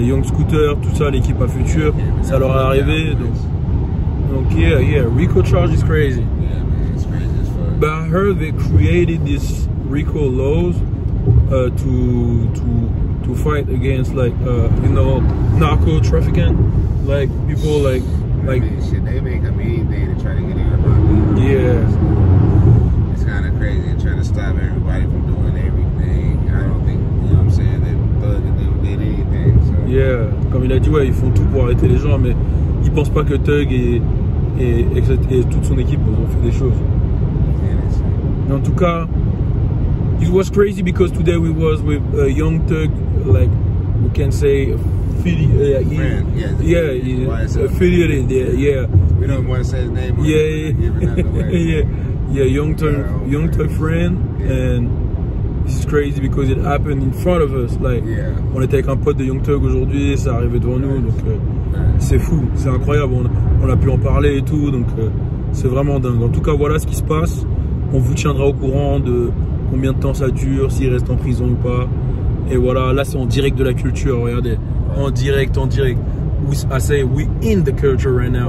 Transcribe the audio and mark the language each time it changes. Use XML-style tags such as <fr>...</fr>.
<fr>Young Scooter, tout ça, l'équipe à Future, ça leur est arrivé.</fr> <en>Donc, Rico charge is crazy. Yeah, man, it's crazy as fuck. But I heard they created this Rico laws to fight against, like, you know, narco trafficking, like people like. I mean, shit, they make up anything to try to get in the market. Yeah. It's kind of crazy. They're trying to stop everybody from doing everything. I don't think, you know what I'm saying, they thugged and they did anything. So.</en> <fr>Yeah, comme il a dit, ouais, ils font tout pour arrêter les gens, mais. Il pense pas que Thug et toute son équipe ont fait des choses. En tout cas,</fr> <en>it was crazy because today we was with a young Thug, like we can say affiliated. We don't want to say his name. Young Thug friend, and this is crazy because it happened in front of us.</en> <fr>On était avec un pote de Young Thug aujourd'hui, et ça arrivait devant nous. Donc, c'est fou, c'est incroyable, on a pu en parler et tout, donc c'est vraiment dingue. En tout cas, voilà ce qui se passe. On vous tiendra au courant de combien de temps ça dure, s'il reste en prison ou pas. Et voilà, là c'est en direct de la culture, regardez. En direct.</fr> <en>I say we in the culture right now.</en>